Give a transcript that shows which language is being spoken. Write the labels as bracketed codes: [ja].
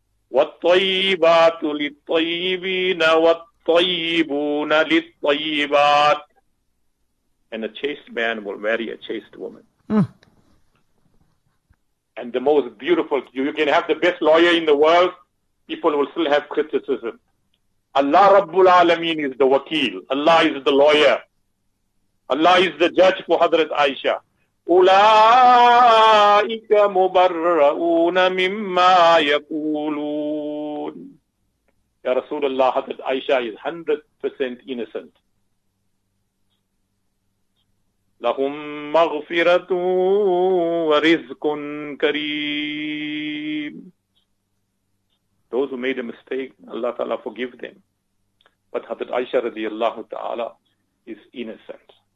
[ar] وَالطَّيِّبَاتُ لِلطَّيِّبِينَ وَالطَّيِّبُونَ لِلطَّيِّبَاتِ, [en] and a chaste man will marry a chaste woman. And the most beautiful, you can have the best lawyer in the world, people will still have criticism. Allah Rabbul Alameen is the wakil. Allah is the lawyer. Allah is the judge for Hazrat Aisha. [ar] أولئك مبرؤون مما يقولون. يا رسول الله, [en] حضرت عائشة is 100% innocent. [ar] لهم مغفرة ورزق كريم. [en] Those who made a mistake, Allah Ta'ala forgive them. But حضرت عائشة [ar] رضي الله تعالى [en] is innocent.